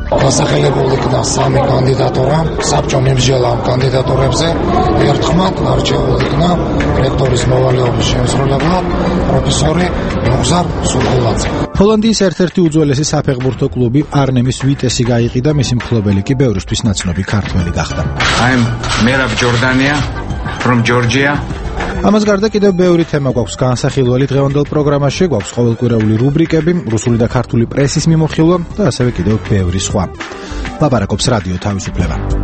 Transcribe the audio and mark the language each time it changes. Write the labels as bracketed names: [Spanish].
[Georgian] დასახელებული იქნა სამი კანდიდატურა საბჭომ იმჟელა ამ კანდიდატურებზე. ერთხმად არჩეული იქნა რექტორის მოვალეობის შემსრულებლად პროფესორი ნუგზარ სურგულაძე. ჰოლანდიის ერთ-ერთი უძველესი საფეხბურთო კლუბი არნემის ვიტესი გაიყიდა, მისი მფლობელი კი ბევრისთვის ნაცნობი ქართველი გახდა. [English] I'm Merab Jordania from Georgia. [Georgian] ამას გარდა კიდევ ბევრი თემა გვაქვს განსახილველი დღევანდელ პროგრამაში, გვაქვს ყოველკვირეული რუბრიკები, რუსული და ქართული პრესის მიმოხილვა და ასევე კიდევ ბევრი სხვა. ლაპარაკობს რადიო თავისუფლება.